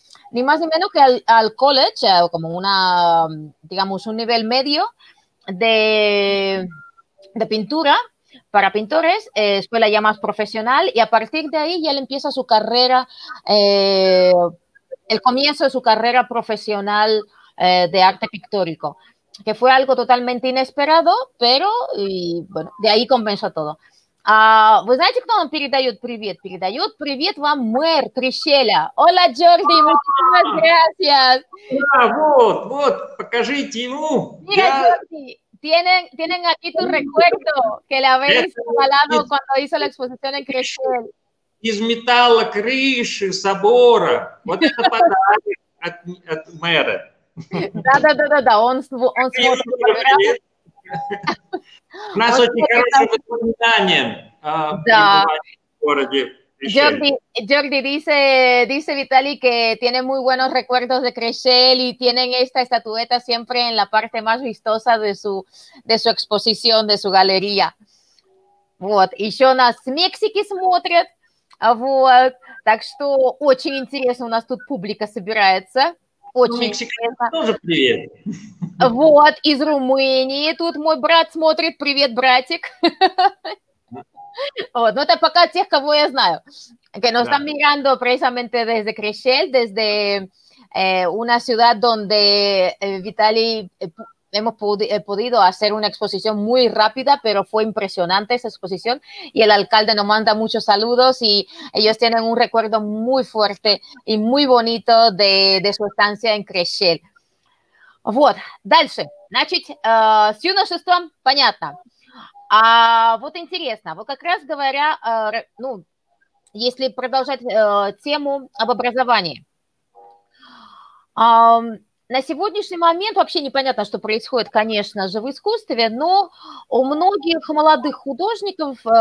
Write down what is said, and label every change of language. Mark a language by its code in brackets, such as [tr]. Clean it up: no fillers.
[es] ni más ni menos que al college, como una, digamos, un nivel medio de pintura para pintores, escuela ya más profesional, y a partir de ahí ya él empieza su carrera, el comienzo de su carrera profesional de arte pictórico, que fue algo totalmente inesperado, pero, y, bueno, de ahí comenzó todo. [ru] Вы знаете, кто нам передает привет? Передает привет вам мэр Трещеля. [es] Hola, Jordi, muchísimas gracias. [ru] Да, вот, вот, покажите ему. [es] Mira, Jordi, tienen aquí tu recuerdo, que le habéis regalado cuando hizo la exposición en Трещел. [ru] Из металла крыши собора. Вот это подарок от мэра. Да-да-да-да, он смотрит. У нас очень хорошее воспоминание в городе. [es] Jordi dice Vitaly que tiene muy buenos recuerdos de Crescel y tienen esta estatueta siempre en la parte más vistosa de su exposición, de su galería. [ru] Вот, еще нас мексики смотрят, вот, так что очень интересно, у нас тут публика собирается. Очень тоже привет. Вот, из Румынии. Тут мой брат смотрит. Привет, братик. Да. Вот, ну это пока тех, кого я знаю. [es] Que nos están mirando precisamente desde Crescel, desde una ciudad donde Vitaly hemos podido hacer una exposición muy rápida, pero fue impresionante esa exposición. Y el alcalde nos manda muchos saludos y ellos tienen un recuerdo muy fuerte y muy bonito de su estancia en Crescel. [ru] Вот, дальше. Значит, с юношеством понятно. А вот интересно, вот как раз говоря, ну, если продолжать тему об образовании. На сегодняшний момент вообще непонятно, что происходит, конечно же, в искусстве, но у многих молодых художников